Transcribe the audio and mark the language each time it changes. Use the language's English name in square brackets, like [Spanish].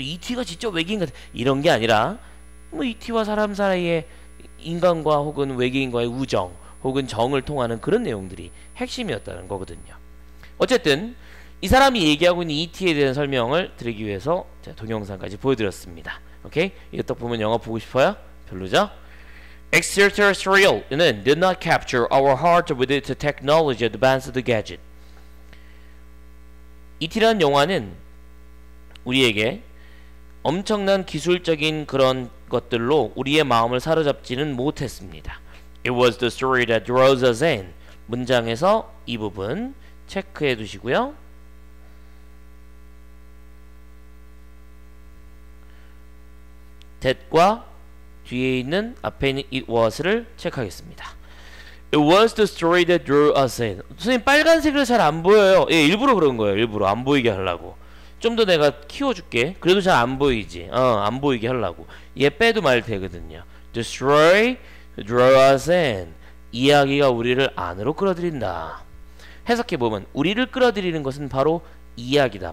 [Korean] ET가 진짜 외계인 같아. 이런 게 아니라 뭐 ET와 사람 사이의 인간과 혹은 외계인과의 우정 혹은 정을 통하는 그런 내용들이 핵심이었다는 거거든요. 어쨌든 이 사람이 얘기하고 있는 ET에 대한 설명을 드리기 위해서 제가 동영상까지 보여드렸습니다. 오케이? 이거 딱 보면 영화 보고 싶어요? 별로죠? [English] Extraterrestrial는 did not capture our heart with its technology advanced gadget. [Korean] ET라는 영화는 우리에게 엄청난 기술적인 그런 것들로 우리의 마음을 사로잡지는 못했습니다. [English] It was the story that draws us in. [Korean] 문장에서 이 부분 체크해 두시고요. 뒤에 있는 앞에 있는 it was를 체크하겠습니다. [English] It was the story that drew us in. [Korean] 선생님, 빨간색으로 잘안 보여요. 예, 일부러 그런 거예요. 일부러 안 보이게 하려고. 좀더 내가 키워줄게. 그래도 잘안 보이지. 안 보이게 하려고. 얘 빼도 말 되거든요. [English] Destroy, draw us in. [Korean] 이야기가 우리를 안으로 끌어들인다. 해석해 보면 우리를 끌어들이는 것은 바로 이야기다.